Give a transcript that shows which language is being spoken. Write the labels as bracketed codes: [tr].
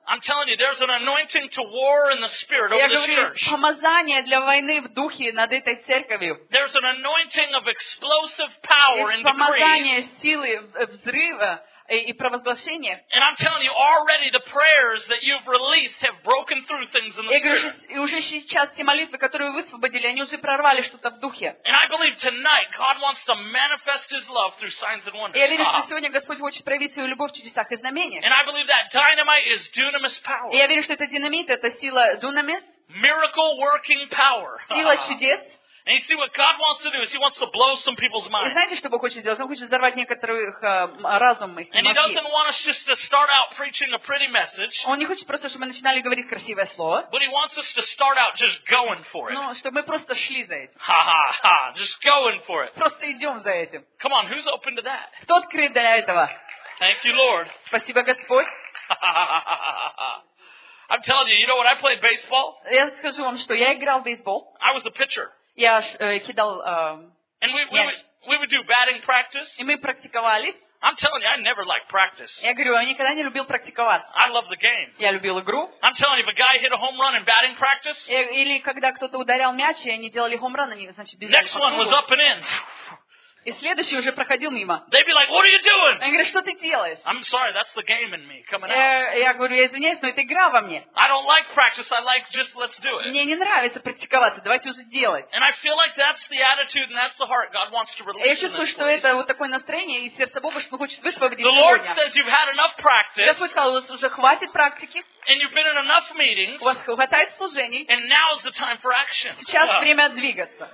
[en] I'm telling you, there's an anointing to war in the spirit over this church. [ru] Помазание для войны в духе над этой церковью. [en] There's an anointing of explosive power. [ru] Помазание силы взрыва и провозглашения. [en] And I'm telling you, already the prayers that you've released have broken through things in the spirit. [ru] И уже сейчас те молитвы, которые вы высвободили, они уже прорвали что-то в духе. [en] And I believe tonight God wants to manifest His love through signs and wonders. [ru] Я верю, что сегодня Господь хочет проявить свою любовь в чудесах и знамениях. [en] And I believe that dynamite is dunamis power. [ru] Я верю, что это динамит, это сила дунамис. [en] Miracle working power. [ru] Сила чудес. [en] And you see what God wants to do is He wants to blow some people's minds. [ru] И знаете, что Бог хочет сделать? Он хочет взорвать некоторых разумы. [en] And He doesn't want us just to start out preaching a pretty message. [ru] Он не хочет просто, чтобы мы начинали говорить красивое слово. [en] But He wants us to start out just going for it. [ru] Ну, чтобы мы просто шли за этим. [en] Ha-ha-ha, just going for it. [ru] Просто идем за этим. [en] Come on, who's open to that? [ru] Кто открыт для этого? [en] Thank you, Lord. [ru] Спасибо, Господь. Ha-ha-ha-ha-ha. [en] I'm telling you, you know what? I played baseball. [ru] Я скажу вам, что я играл в бейсбол. [en] I was a pitcher. [ru] Я кидал. [en] And we would do batting practice. [ru] И мы практиковали. [en] I'm telling you, I never liked practice. [ru] Я говорю, я никогда не любил практиковаться. [en] I love the game. [ru] Я любил игру. [en] I'm telling you, if a guy hit a home run in batting practice. [ru] Или когда кто-то ударял мяч, и они делали home run, они, значит, бежали. [en] Next one was up and in. [ru] И следующий уже проходил мимо. [en] They'd be like, "What are you doing?" [ru] Они говорят, что ты делаешь? [en] I'm sorry, that's the game in me coming out. [ru] Я говорю, я извиняюсь, но это игра во мне. [en] I don't like practice. I like just let's do it. [ru] Мне не нравится практиковаться. Давайте уже делать. [en] And I feel like that's the attitude and that's the heart God wants to release. [ru] Я чувствую, что это вот такое настроение и сердце Бога, что хочет высвободить. [en] The Lord says you've had enough practice. [ru] Я сказал, у вас уже хватит практики. [en] And you've been in enough meetings. [ru] У вас хватает служений. [en] And now is the time for action. [ru] Сейчас время двигаться.